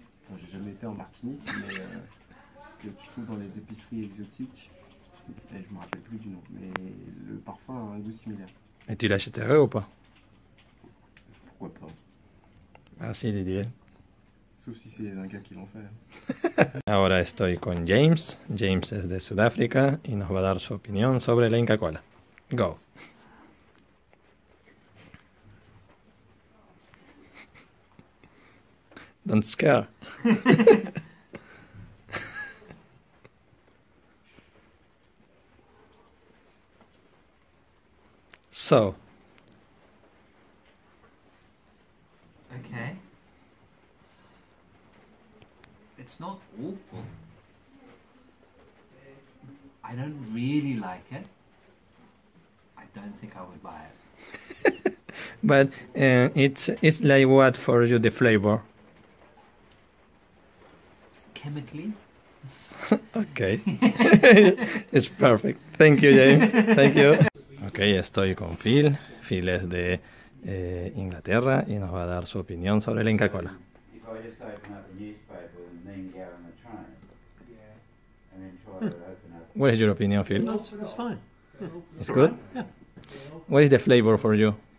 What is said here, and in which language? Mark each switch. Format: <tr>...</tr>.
<fr>Enfin, j'ai jamais été en Martinique, mais que tu trouves dans les épiceries exotiques. Et je ne me rappelle plus du nom, mais le parfum a un goût similaire. Et tu l'achèterais ou pas? Pourquoi pas? Merci Didier. Sauf si c'est les Incas qui l'ont fait.</fr> <es>Ahora estoy con James. James es de Sudáfrica y nos va a dar su opinión sobre la Inca Kola.</es> <en>Go. Don't scare. So. Okay. It's not awful. I don't really like it. I don't think I would buy it. But it's like what for you, the flavor? Chemically? Okay. It's perfect. Thank you, James. Thank you.</en> <es>Okay, estoy con Phil. Phil es de Inglaterra y nos va a dar su opinión sobre la Inca Kola.</es> <en>If I just open up a newspaper with a mean gal on the train, yeah. And then try to open up... What is your opinion, Phil? It's fine. Yeah. It's good? Yeah. What is the flavor for you?</en>